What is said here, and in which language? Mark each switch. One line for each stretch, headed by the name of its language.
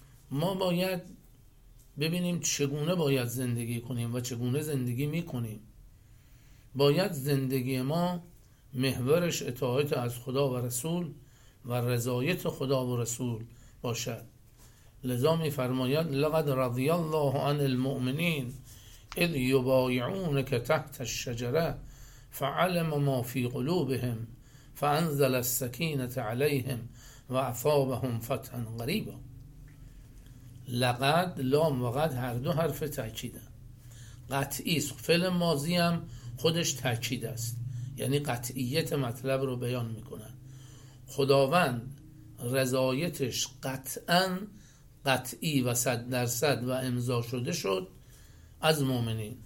Persian: ما باید ببینیم چگونه باید زندگی کنیم و چگونه زندگی میکنیم. باید زندگی ما محورش اطاعت از خدا و رسول و رضایت خدا و رسول باشد. لذا میفرماید
Arabic: لقد رضی الله عن المؤمنین اذ يبايعونك تحت الشجره فعلم ما في قلوبهم فانزل السكينه عليهم وعفاهم فتحا قريبا.
Persian: لقد لام و قد هر دو حرف تاکید قطعی است، فعل ماضی هم خودش تاکید است، یعنی قطعیت مطلب رو بیان میکنه. خداوند رضایتش قطعا قطعی و 100% و امضا شده شد از مؤمنین.